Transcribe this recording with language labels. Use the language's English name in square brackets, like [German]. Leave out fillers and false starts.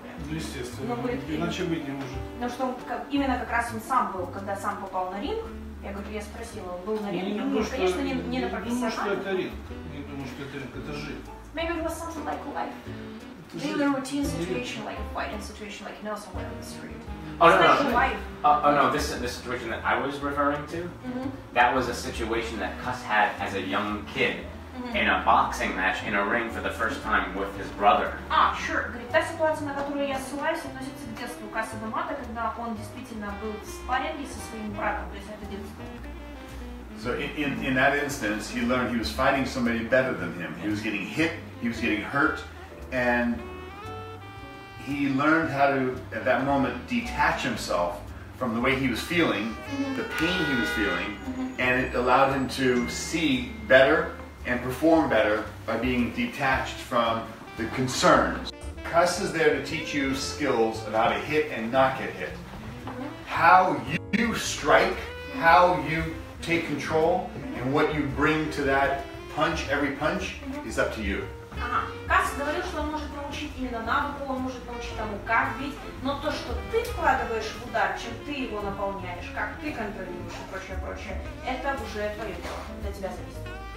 [Russian] Естественно, иначе быть не может. Но что именно как раз он сам был, когда сам попал на ринг, я говорю, я спросила, он был на ринге? Не думаю, конечно, не на профессиональном. Не думаю, что это ринг, это жизнь. [English] Maybe it was something like life. Daily routine situation, like a fighting situation, like, you know, somewhere on the street. This situation that I was referring to, that was a situation that Cus had as a young kid. Mm-hmm. In a boxing match, in a ring for the first time with his brother. Sure. [Russian] Говорит, та ситуация, на которую я ссылаюсь, относится к детству Касса Дамата, когда он действительно был в спарринге со своим братом. То есть это детство. [English] So in that instance, he learned he was fighting somebody better than him. He was getting hit, he was getting hurt, and he learned how to, at that moment, detach himself from the way he was feeling, mm-hmm. the pain he was feeling, mm-hmm. and it allowed him to see better and perform better by being detached from the concerns. Cus is there to teach you skills of how to hit and not get hit. How you strike, how you take control, and what you bring to that punch, every punch, is up to you. [Russian] Кас говорил, что он может научить именно навыку, он может научить тому, как бить, но то, что ты вкладываешь в удар, чем ты его наполняешь, как ты контролируешь и прочее, прочее, это уже твое дело, это от тебя зависит.